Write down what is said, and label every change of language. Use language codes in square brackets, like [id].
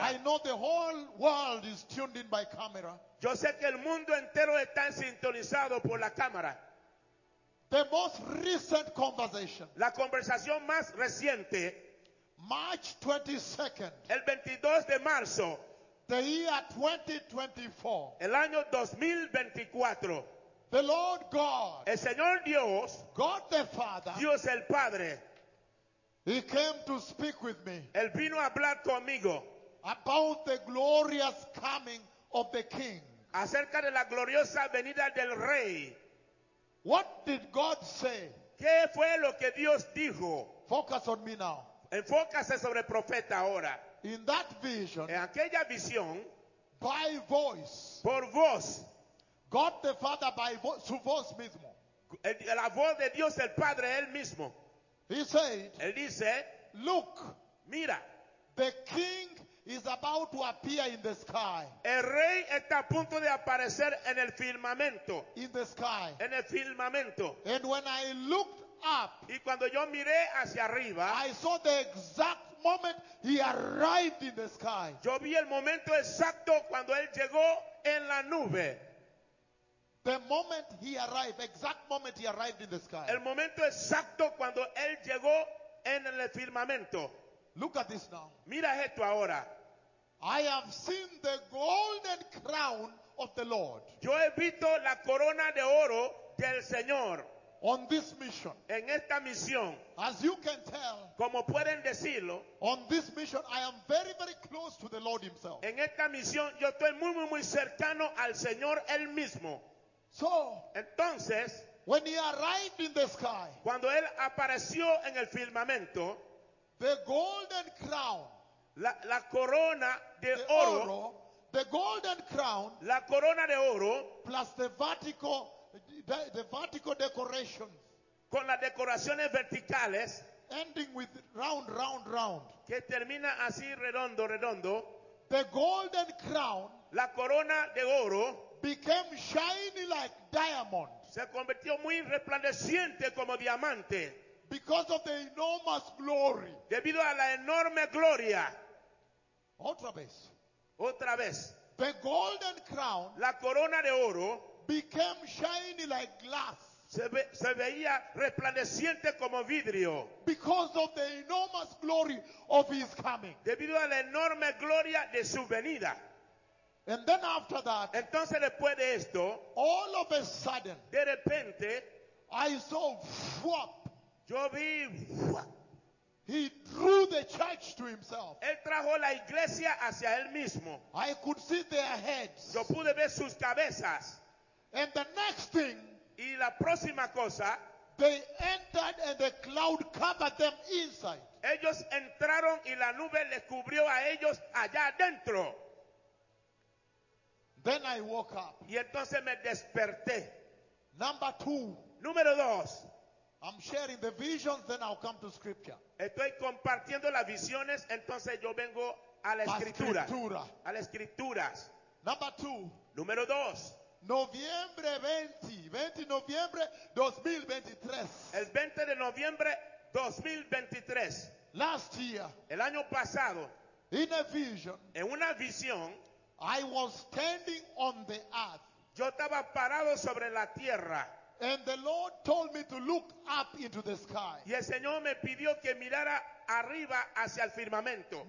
[en] I know the whole world is tuned in by camera. [es] Yo sé que el mundo entero está sintonizado por la cámara. [en] The most recent conversation. [es] La conversación más reciente. [en] March 22nd. [es] El 22 de marzo. [en] The year 2024. [es] El año 2024. [en] The Lord God. [es] El Señor Dios. [en] God the Father. [es] Dios el Padre. [en] He came to speak with me. [es] Él vino a hablar conmigo. [en] About the glorious coming of the King. [es] Acerca de la gloriosa venida del Rey. [en] What did God say? [es] ¿Qué fue lo que Dios dijo? [en] Focus on me now. [es] Enfócase sobre el profeta ahora. [en] In that vision, [es] en aquella visión, [en] by voice, [es] por voz, [en] God the Father by [es] su voz mismo, la voz de Dios el Padre él mismo, [en] he said, [es] él dice, [en] look, [es] mira, [en] the King is about to appear in the sky, [es] el Rey está a punto de aparecer en el firmamento, [en] in the sky, [es] en el firmamento, [en] and when I looked up, [es] y cuando yo miré hacia arriba, [en] I saw the exact moment he arrived in the sky. [es] Yo vi el momento exacto cuando él llegó en la nube. [en] The moment he arrived, exact moment he arrived in the sky. [es] El momento exacto cuando él llegó en el firmamento. [en] Look at this now. [es] Mira esto ahora. [en] I have seen the golden crown of the Lord. [es] Yo he visto la corona de oro del Señor. [en] On this mission. [es] En esta misión. [en] As you can tell. [es] Como pueden decirlo. [en] On this mission, I am very, very close to the Lord himself. [es] En esta misión, yo estoy muy, muy, muy cercano al Señor él mismo. [en] So. [es] Entonces. [en] When he arrived in the sky. [es] Cuando él apareció en el firmamento. [en] The golden crown. [es] La corona de oro. Oro. [en] The golden crown. [es] La corona de oro. [en] Plus the vertical. The vertical decorations, [es] con las decoraciones verticales, [en] ending with round, round, round, [es] que termina así redondo, redondo. [en] The golden crown, [es] la corona de oro, [en] became shiny like diamond, [es] se convirtió muy resplandeciente como diamante, [en] because of the enormous glory, [es] debido a la enorme gloria. Otra vez, otra vez. [en] The golden crown, [es] la corona de oro. [en] Became shiny like glass. [es] Se veía resplandeciente como vidrio. [en] Because of the enormous glory of his coming. [es] Debido a la enorme gloria de su venida. [en] And then after that. [es] Entonces después de esto. [en] All of a sudden. [es] De repente. [en] I saw. Whoop, [es] yo vi. Whoop. [en] He drew the church to himself. [es] Él trajo la iglesia hacia él mismo. [en] I could see their heads. [es] Yo pude ver sus cabezas. [en] And the next thing, [es] y la próxima cosa, [en] they entered and the cloud covered them inside. [es] Ellos entraron y la nube les cubrió a ellos allá adentro. [en] Then I woke up. [es] Y entonces me desperté. [en] Number two. [es] Número dos. [en] I'm sharing the visions, then I'll come to scripture. [es] Estoy compartiendo las visiones, entonces yo vengo a la escritura. La escritura. A las escrituras. [en] Number two. [es] Número dos. Noviembre 20 noviembre 2023. El 20 de noviembre 2023. [en] Last year. [es] El año pasado. [en] In a vision. [es] En una visión. [en] I was standing on the earth. [es] Yo estaba parado sobre la tierra. [en] And the Lord told me to look up into the sky. [es] Y el Señor me pidió que mirara arriba hacia el firmamento.